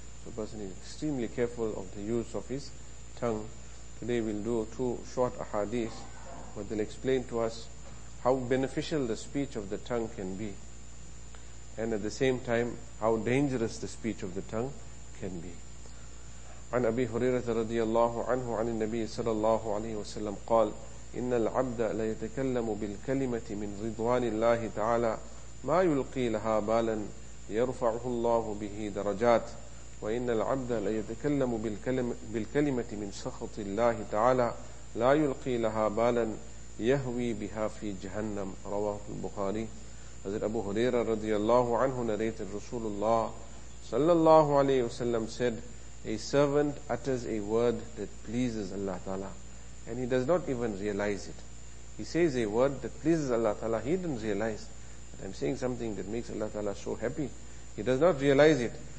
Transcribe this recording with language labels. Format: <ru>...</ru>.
<en>So a person is extremely careful of the use of his tongue. Today we'll do two short ahadith where they'll explain to us how beneficial the speech of the tongue can be, and at the same time how dangerous the speech of the tongue can be.</en> <ar>عن أبي هريرة رضي الله عنه عن النبي صلى الله عليه وسلم قال إن العبد لا يتكلم بالكلمة من رضوان الله تعالى ما يلقي لها بالا يرفعه الله به درجات وإن العبد لا يتكلم بالكلمة من سخط الله تعالى لا يلقي لها بالا يهوي بها في جهنم رواه البخاري.</ar> <en>حضرت أبو هريرة رضي الله عنه narrated رسول الله صلى الله عليه وسلم said, a servant utters a word that pleases Allah Ta'ala and he does not even realize it. He says a word that pleases Allah Ta'ala, he didn't realize that I'm saying something that makes Allah Ta'ala so happy. He does not realize it.</en>